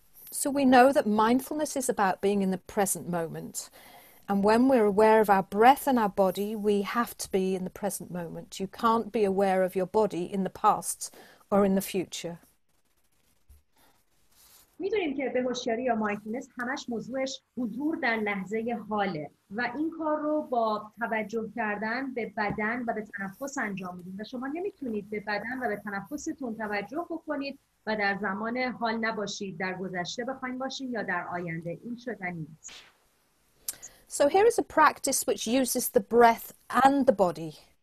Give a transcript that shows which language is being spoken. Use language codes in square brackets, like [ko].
[en] So we know that mindfulness is about being in the present moment. And when we're aware of our breath and our body, we have to be in the present moment. You can't be aware of your body in the past or in the future. [fa] می‌دونیم که به هوشیاری یا مایندفولنس همش موضوعش حضور در لحظه حاله و این کار رو با توجه کردن به بدن و به تنفس انجام میدیم و شما نمیتونید به بدن و به تنفستون توجه بکنید و در زمان حال نباشید، در گذشته بخواید باشید یا در آینده. این شدنی است. [en] So here is a practice which uses the breath and the body.